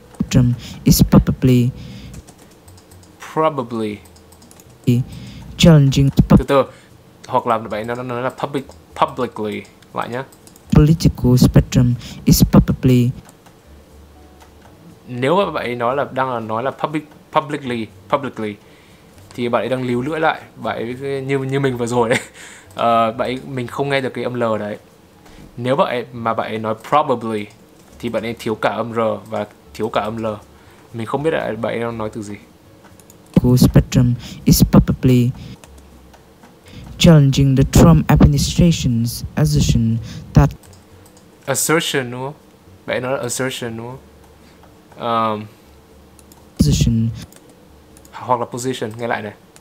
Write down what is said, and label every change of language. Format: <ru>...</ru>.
<en>Trump is probably challenging.</en> <vi>Từ, hoặc là vậy nó là publicly lại nhá.</vi> <en>Political spectrum is probably.</en> <vi>Nếu mà bạn ấy nói là đang là nói là publicly thì bạn ấy đang líu lưỡi lại, bạn ấy như mình vừa rồi đấy. Bạn ấy, mình không nghe được cái âm l đấy. Nếu bạn ấy, mà bạn ấy nói probably thì bạn ấy thiếu cả âm r và thiếu cả âm l. Mình không biết là bạn ấy đang nói từ gì.</vi> <en>Spectrum is probably challenging the Trump administration's assertion that</en> <vi>assertion, đúng không? Vậy nó là assertion, đúng không?</vi> <en>Position</en> <vi>hoặc là position, nghe lại này.</vi>